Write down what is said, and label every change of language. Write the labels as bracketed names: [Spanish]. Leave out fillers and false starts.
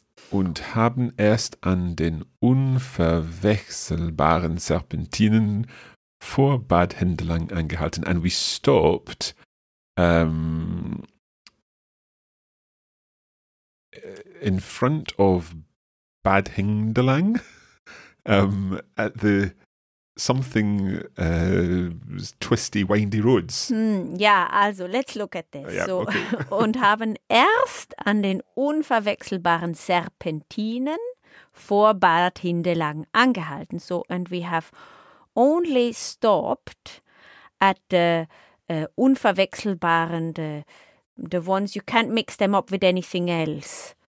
[German] Und haben erst an den unverwechselbaren Serpentinen vor Bad Hindelang angehalten. [English] And we stopped in front of Bad Hindelang at the something twisty, windy roads. Yeah, also let's look at this. Yeah, so, okay. [German] Und haben erst an den unverwechselbaren Serpentinen vor Bad Hindelang angehalten. [English] So, and we have only stopped at the unverwechselbaren, the ones you can't mix them up with anything else.